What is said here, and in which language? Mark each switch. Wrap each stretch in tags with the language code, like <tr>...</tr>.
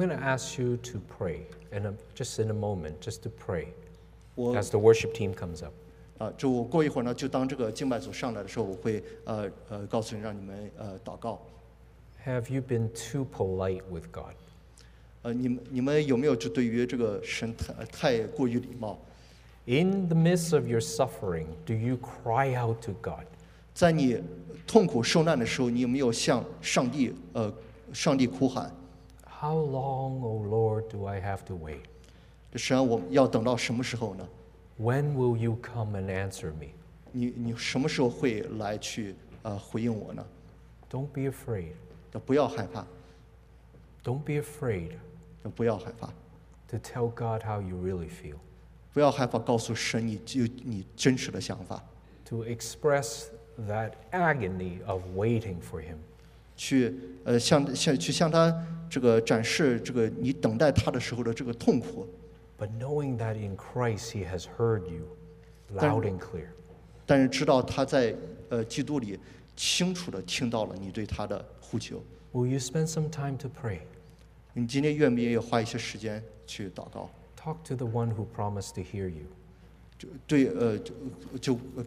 <en>going to ask you to pray, and just in a moment, just to pray, as the worship team comes up.</en> <zh>就过一会儿呢，就当这个敬拜组上来的时候，我会告诉你，让你们祷告。</zh> <en>Have you been too polite with God?</en> <zh>你们有没有就对于这个神太过于礼貌？</zh> <en>In the midst of your suffering, do you cry out to God?</en> <zh>在你痛苦受难的时候，你有没有向上帝哭喊？</zh> <en>How long, O Lord, do I have to wait?</en> <zh>神，我要等到什么时候呢？</zh> <en>When will you come and answer me?</en> <zh>你什么时候会来去回应我呢？</zh> <en>Don't be afraid.</en> <zh>不要害怕,</zh> <en>Don't be afraid</en> <zh>不要害怕,</zh> <en>to tell God how you really feel.</en> <zh>不要害怕告诉神你真实的想法,</zh> <en>to express that agony of waiting for Him.</en> <zh>去向他展示你等待他的时候的痛苦,</zh> <en>but knowing that in Christ He has heard you loud and clear.</en> <zh>但是知道他在基督里清楚地听到了你对他的呼求。</zh> <en>Will you spend some time to pray?</en> <zh>你今天愿不愿意花一些时间去祷告？</zh> <en>Talk to the one who promised to hear you.</en> <zh>就为那一位应许会倾听你话语的人对话。</zh>